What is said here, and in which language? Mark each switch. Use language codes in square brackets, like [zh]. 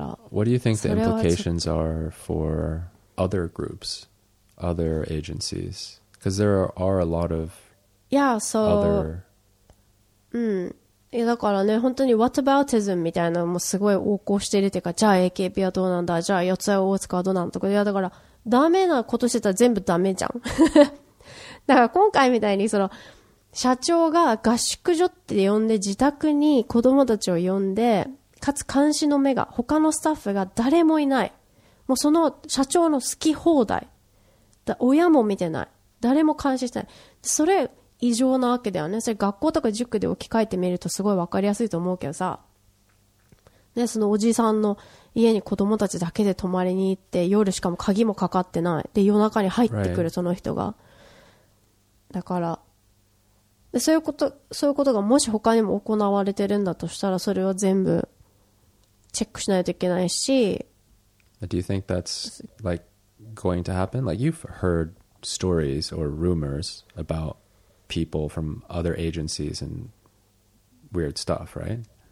[en] What do you think the implications are for other groups, other agencies? Because there are a lot of other. [ja] だからね、本当に whataboutism みたいなのもすごい横行しているというか、じゃあ AKB はどうなんだ、じゃあ四谷大塚はどうなんとか、いやだからダメなことしてたら全部ダメじゃん。だから今回みたいにその社長が合宿所って呼んで自宅に子供たちを呼んで、かつ監視の目が他のスタッフが誰もいない、もうその社長の好き放題だ、親も見てない、誰も監視してない、それ異常なわけだよね。それ学校とか塾で置き換えてみるとすごい分かりやすいと思うけどさ、ね、そのおじさんの家に子供たちだけで泊まりに行って、夜しかも鍵もかかってないで夜中に入ってくるその人が、だからで、そういうこと、そういうことがもし他にも行われてるんだとしたら、それは全部チェックしないといけないし。 [en] Do you think that's like going to happen? Like you've heard stories or rumors about people from other agencies and weird stuff, right?